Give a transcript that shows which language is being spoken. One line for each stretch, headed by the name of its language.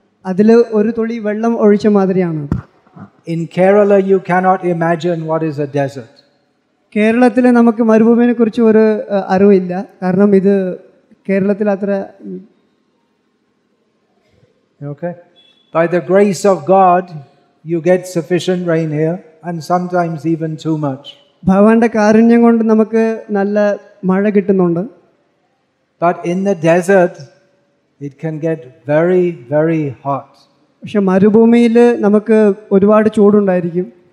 Malayalam: അതില് ഒരു തുള്ളി വെള്ളം ഒഴിച്ച മാതിരിയാണ്.
English: In Kerala you cannot imagine what is a desert.
Malayalam: കേരളത്തിലെ നമുക്ക് മരുഭൂമിയെ കുറിച്ച് ഒരു അറിവില്ല. കാരണം ഇത് കേരളത്തിൽ അത്ര.
English: Okay. By the grace of God you get sufficient rain here and sometimes even too much.
Malayalam: ഭഗവാന്റെ കാരുണ്യം കൊണ്ട് നമുക്ക് നല്ല മഴ കിട്ടുന്നുണ്ട്.
English: But in the desert it can get very very hot.
Malayalam: പക്ഷെ മരുഭൂമിയിൽ നമുക്ക് ഒരുപാട് ചൂടുണ്ടായിരിക്കും.